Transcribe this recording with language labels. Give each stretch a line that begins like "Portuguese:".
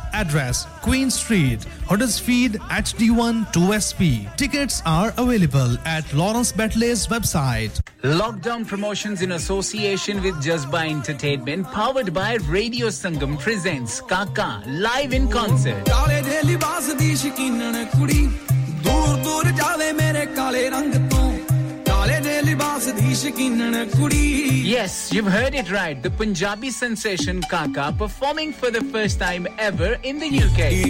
English: Address, Queen Street, Huddersfield, HD1 2SP. Tickets are available at Lawrence Battley's website. Lockdown Promotions in association with Jazba Entertainment, powered by Radio Sangam, presents Kaka, live in concert.
Punjabi: ਦੂਰ ਦੂਰ ਜਾਵੇ ਮੇਰੇ ਕਾਲੇ ਰੰਗ ਤੋਂ ਕਾਲੇ ਦੇ ਲਿਬਾਸ ਦੀ ਸ਼ਕੀਨਣ ਕੁੜੀ
English: Yes, you've heard it right. The Punjabi sensation Kaka performing for the first time ever in the UK.